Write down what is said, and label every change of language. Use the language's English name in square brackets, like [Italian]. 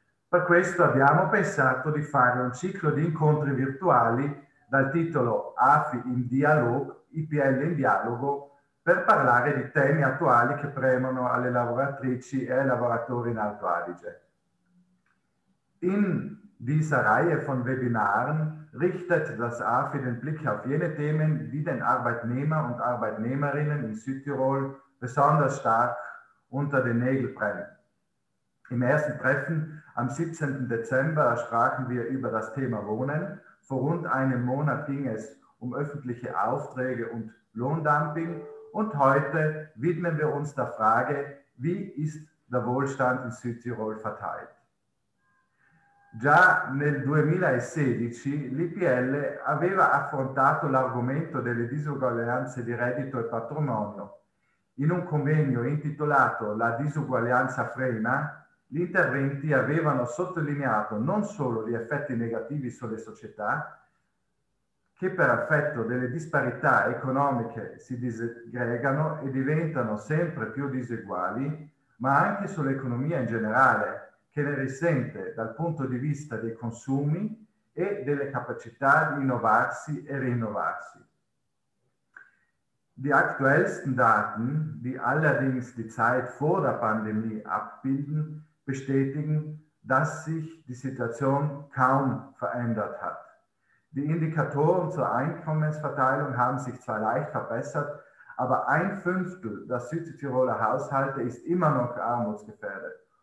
[Italian] Per questo abbiamo pensato di fare un ciclo di incontri virtuali dal titolo AFI in dialogue, IPL in dialogo, per parlare di temi attuali che premono alle lavoratrici e ai lavoratori in Alto Adige. [German] In dieser Reihe von Webinaren richtet das AFI den Blick auf jene Themen, die den Arbeitnehmer und Arbeitnehmerinnen in Südtirol besonders stark unter den Nägeln brennen. Im ersten Treffen am 17. Dezember sprachen wir über das Thema Wohnen. Vor rund einem Monat ging es um öffentliche Aufträge und Lohndumping. Und heute widmen wir uns der Frage, wie ist der Wohlstand in Südtirol verteilt? [Italian] Già nel 2016 l'IPL aveva affrontato l'argomento delle disuguaglianze di reddito e patrimonio. In un convegno intitolato La disuguaglianza frena, gli interventi avevano sottolineato non solo gli effetti negativi sulle società, che per effetto delle disparità economiche si disgregano e diventano sempre più diseguali, ma anche sull'economia in generale, che ne risente dal punto di vista dei consumi e delle capacità di innovarsi e rinnovarsi. [German] Die aktuellsten Daten, die allerdings die Zeit vor der Pandemie abbilden, bestätigen, dass sich die Situation kaum verändert hat. Die Indikatoren zur Einkommensverteilung haben sich zwar leicht verbessert, aber ein Fünftel der Südtiroler Haushalte ist immer noch armutsgefährdet.